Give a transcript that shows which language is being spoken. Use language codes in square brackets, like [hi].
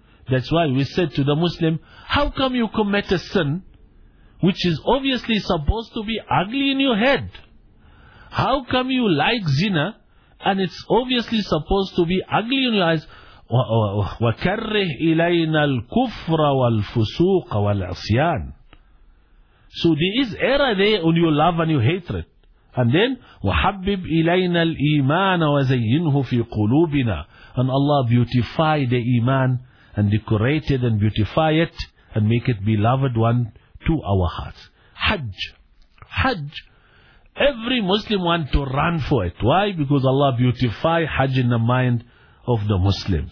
[en] That's why we said to the Muslim, how come you commit a sin which is obviously supposed to be ugly in your head? How come you like zina and it's obviously supposed to be ugly in your eyes? [ar] وَكَرِّهْ إِلَيْنَا الْكُفْرَ وَالْفُسُوقَ وَالْعِصْيَانَ. [en] So there is error there on your love and your hatred. And then, [ar] وَحَبِّبْ إِلَيْنَا الْإِيمَانَ وَزَيِّنْهُ فِي قُلُوبِنَا. [en] And Allah beautify the iman and decorate it and beautify it and make it beloved one to our hearts. Hajj. Hajj. Every Muslim want to run for it. Why? Because Allah beautify Hajj in the mind of the Muslim.